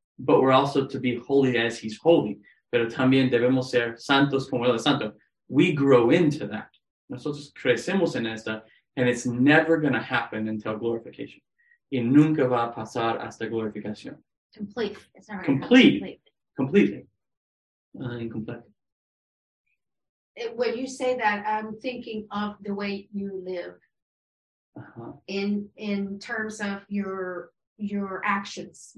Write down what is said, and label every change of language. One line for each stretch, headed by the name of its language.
English: But we're also to be holy as he's holy.
Spanish: Pero también debemos ser santos como él es santo.
English: We grow into that.
Spanish: Nosotros crecemos en esta.
English: And it's never going to happen until glorification.
Spanish: Y nunca va a pasar hasta glorificación.
English: Complete. It's not right. Complete. Completely. Incomplete. When you say that, I'm thinking of the way you live, in terms of your actions.